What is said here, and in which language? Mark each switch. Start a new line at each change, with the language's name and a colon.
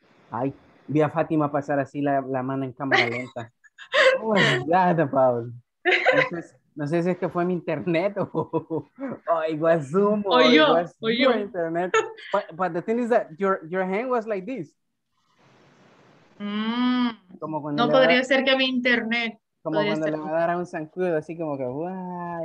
Spanish: I vi a Fátima pasar así la mano en cámara lenta.
English: Oh my God,
Spanish: Paul. No sé si es que fue mi internet o igual Zoom o yo, internet.
English: But the thing is that your hand was like this.
Spanish: Como no podría ser que mi internet. Como cuando le va a dar a un zancudo, así como que, wow.